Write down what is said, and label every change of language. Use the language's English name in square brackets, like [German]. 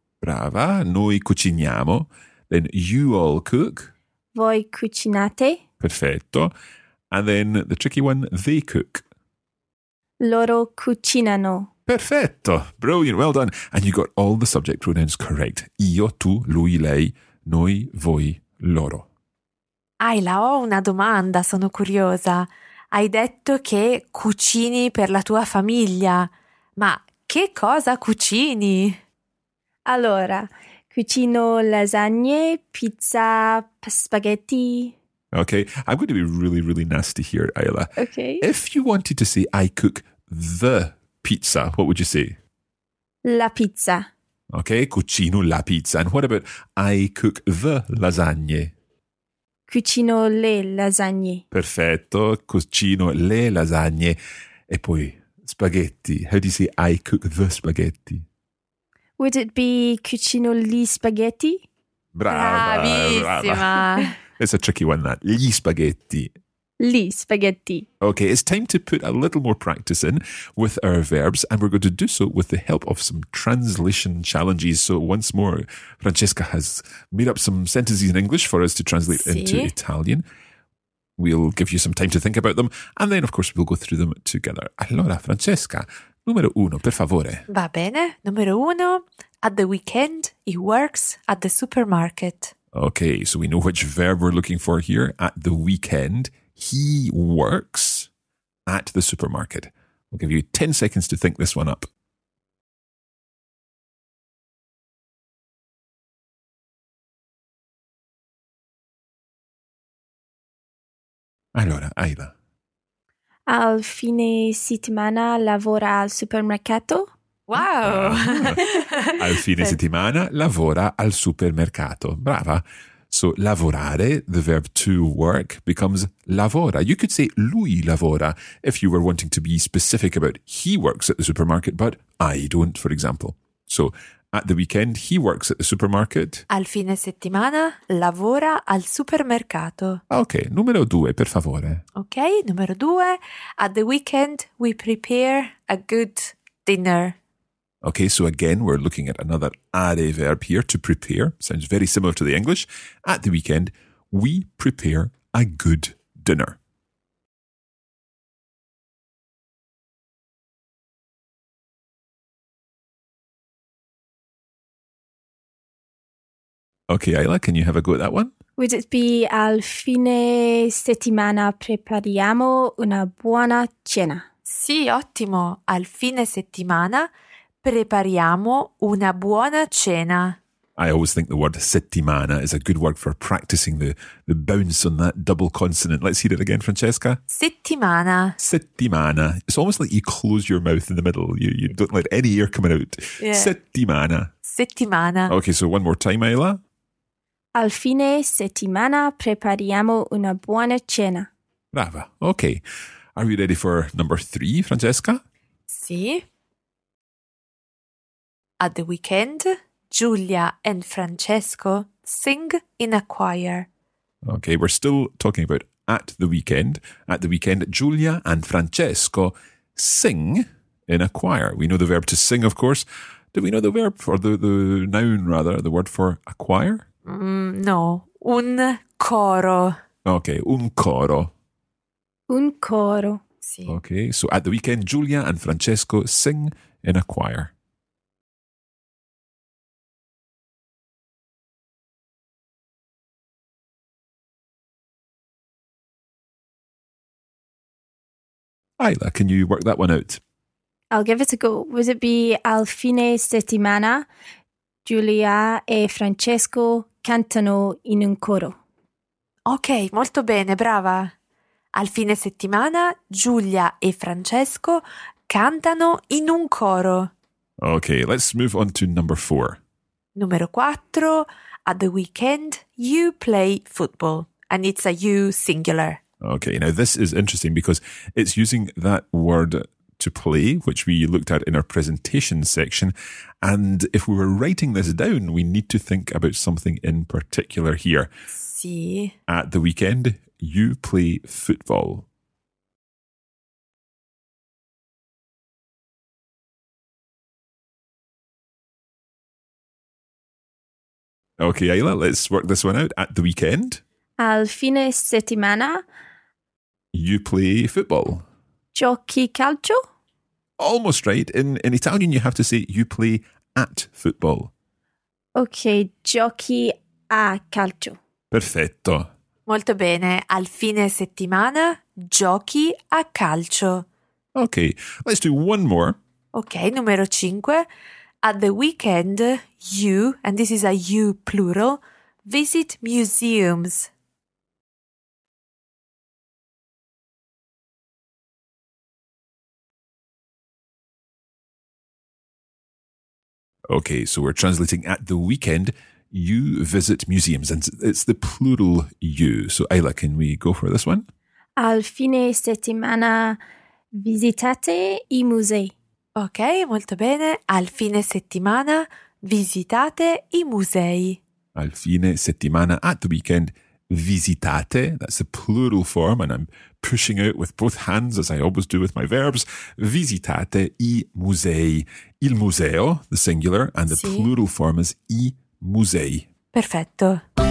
[Italian] Brava. Noi cuciniamo. [English] Then you all cook. [Italian] Voi cucinate. Perfetto. [English] And then the tricky one, they cook. [Italian] Loro cucinano. [English] Perfetto. Brilliant. Well done. And you got all the subject pronouns correct. [Italian] Io, tu, lui, lei, noi, voi, loro. Ayla, ho una domanda, sono curiosa. Hai detto che cucini per la tua famiglia, ma che cosa cucini? Allora, cucino lasagne, pizza, spaghetti. [English] Okay, I'm going to be really, really nasty here, Ayla. Okay. If you wanted to say, I cook the pizza, what would you say? [Italian] La pizza. Okay, cucino la pizza. [English] And what about, I cook the lasagne? [Italian] Cucino le lasagne. Perfetto, cucino le lasagne. E poi, [English] spaghetti. How do you say, I cook the spaghetti? Would it be [Italian] cucino gli spaghetti? Brava, bravissima. [English] Brava. It's a tricky one, that. [Italian] Gli spaghetti. gli spaghetti. [English] Okay, it's time to put a little more practice in with our verbs, and we're going to do so with the help of some translation challenges. So once more, Francesca has made up some sentences in English for us to translate into Italian. We'll give you some time to think about them, and then, of course, we'll go through them together. [Italian] Allora, Francesca, numero uno, per favore. Va bene, numero uno, [English] at the weekend, he works at the supermarket. Okay, so we know which verb we're looking for here. At the weekend, he works at the supermarket. We'll give you 10 seconds to think this one up. [Italian] Allora, Aida. Al fine settimana lavora al supermercato. [English] Wow! [Italian] Al fine settimana lavora al supermercato. [English] Brava. So lavorare, the verb to work, becomes lavora. You could say [Italian] lui lavora [English] if you were wanting to be specific about he works at the supermarket, but I don't, for example. So at the weekend, he works at the supermarket. [Italian] Al fine settimana, lavora al supermercato. Okay, numero due, per favore. Okay, numero due. [English] At the weekend, we prepare a good dinner. Okay, so again, we're looking at another are verb here, to prepare. Sounds very similar to the English. At the weekend, we prepare a good dinner. Okay, Ayla, can you have a go at that one? Would it be [Italian] al fine settimana prepariamo una buona cena? Sì, ottimo. Al fine settimana prepariamo una buona cena. [English] I always think the word settimana is a good word for practicing the bounce on that double consonant. Let's hear it again, Francesca. [Italian] Settimana. Settimana. [English] It's almost like you close your mouth in the middle. You don't let any air come out. [Italian] Yeah. Settimana. Settimana. [English] Okay, so one more time, Ayla. [Italian] Al fine settimana prepariamo una buona cena. [English] Brava. Okay. Are we ready for number three, Francesca? [Italian] Sì. [English] At the weekend, Giulia and Francesco sing in a choir. Okay, we're still talking about at the weekend. At the weekend, Giulia and Francesco sing in a choir. We know the verb to sing, of course. Do we know the verb, or the noun rather, the word for a choir? [Italian] No, un coro. Okay, un coro. Un coro, sì. [English] Okay, so at the weekend, Giulia and Francesco sing in a choir. Ayla, can you work that one out? I'll give it a go. Would it be [Italian] al fine settimana, Giulia e Francesco cantano in un coro? Ok, molto bene, brava. Al fine settimana, Giulia e Francesco cantano in un coro. [English] Ok, let's move on to number four. [Italian] Numero quattro, [English] at the weekend, you play football. And it's a you singular. Ok, now this is interesting because it's using that word to play, which we looked at in our presentation section. And if we were writing this down, we need to think about something in particular here. See. At the weekend, you play football. Okay, Ayla, let's work this one out. At the weekend. [Italian] Al fine settimana. [English] You play football. [Italian] Giochi calcio? [English] Almost right. In Italian, you have to say you play at football. [Italian] Okay, giochi a calcio. Perfetto. Molto bene. Al fine settimana, giochi a calcio. [English] Okay, let's do one more. [Italian] Okay, numero cinque. [English] At the weekend, you, and this is a you plural, visit museums. Okay, so we're translating at the weekend, you visit museums, and it's the plural you. So Ayla, can we go for this one? [Italian] Al fine settimana visitate i musei. Okay, molto bene. Al fine settimana visitate i musei. Al fine settimana, [English] at the weekend, [Italian] visitate. [English] That's the plural form, and I'm pushing out with both hands, as I always do with my verbs. [Italian] Visitate I musei. [English] Il museo, the singular, and the plural form is I musei. [Italian] Perfetto.